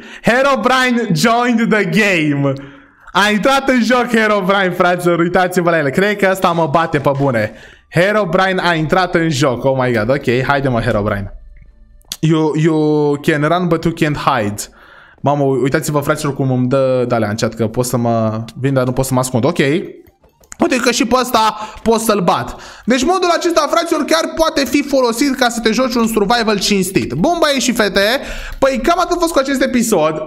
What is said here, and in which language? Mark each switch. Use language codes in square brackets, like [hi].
[en] Herobrine joined the game. [ro] A intrat în joc Herobrine, fraților, uitați-vă la el. Cred că ăsta mă bate pe bune. Herobrine a intrat în joc, [en] oh my god. [ro] Ok, haide-mă, Herobrine. [en] You can run, but you can't hide. [ro] Mamă, uitați-vă, fraților, cum îmi dă d-alea în chat, că pot să mă vin, dar nu pot să mă ascund. Ok. Uite că și pe ăsta poți să-l bat. Deci modul acesta, fraților, chiar poate fi folosit ca să te joci un survival cinstit. Bun, băie și fete, păi cam atât a fost cu acest episod.